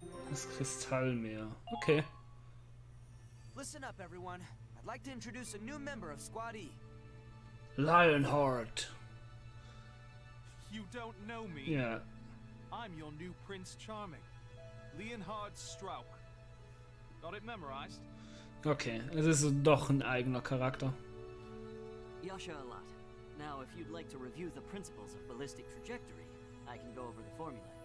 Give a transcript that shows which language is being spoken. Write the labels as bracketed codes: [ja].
[de] Das Kristallmeer. Okay. [en] Listen up, everyone. I'd like to introduce a new member of Squad E. Lionheart. You don't know me. Yeah. I'm your new Prince Charming. Leonhard Strauch. Got it memorized? [de] Okay, es ist doch ein eigener Charakter. Yasha Alat. [en] Now, if you'd like to review the principles of ballistic trajectory, I can go over the formula.